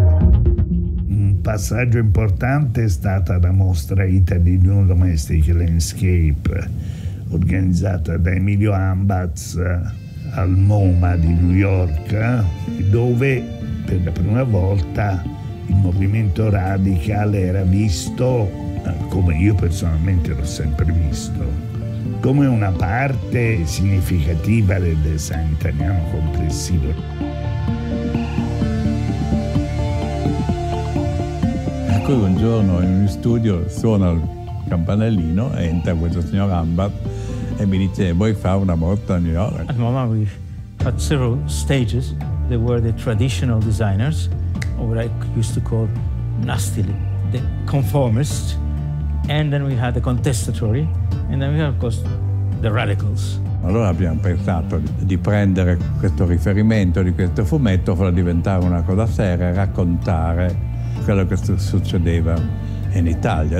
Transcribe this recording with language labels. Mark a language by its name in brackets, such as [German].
[Italian] Un passaggio importante è stata la mostra Italy New Domestic Landscape, organizzata da Emilio Ambaz al MoMA di New York, dove per la prima volta il movimento radicale era visto, come io personalmente l'ho sempre visto, come una parte significativa del design italiano complessivo. Un giorno in uno studio suona il campanellino e entra questo signor Ambaz e mi dice: vuoi fare una mostra a New York? [English] At MoMA we had several stages. There were the traditional designers, or what I used to call nastily, the conformists, and then we had the contestatory, and then we had of course the radicals. [Italian] Allora abbiamo pensato di prendere questo riferimento di questo fumetto, farlo diventare una cosa seria, raccontare quello che succedeva in Italia.